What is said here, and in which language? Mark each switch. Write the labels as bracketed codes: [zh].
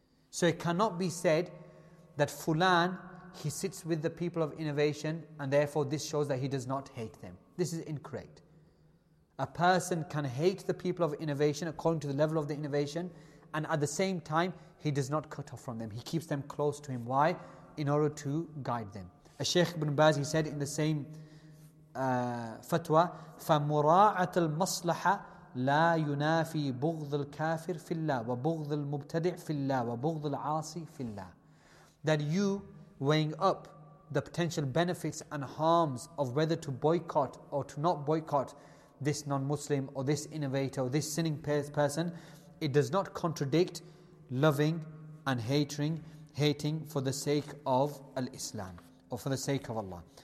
[en] So it cannot be said that Fulan, he sits with the people of innovation and therefore this shows that he does not hate them. This is incorrect. A person can hate the people of innovation according to the level of the innovation, and at the same time, he does not cut off from them. He keeps them close to him. Why? In order to guide them. As Shaykh ibn Baz, he said in the same fatwa, [ar] فَمُرَاعَةَ الْمَصْلَحَ لَا يُنَافِي بُغْضُ الْكَافِرِ فِي اللَّهِ وَبُغْضُ الْمُبْتَدِعِ فِي اللَّهِ وَبُغْضُ الْعَاصِي فِي اللَّهِ. [en] That you, weighing up the potential benefits and harms of whether to boycott or to not boycott this non-Muslim or this innovator or this sinning person, it does not contradict loving and hating for the sake of al-Islam or for the sake of Allah.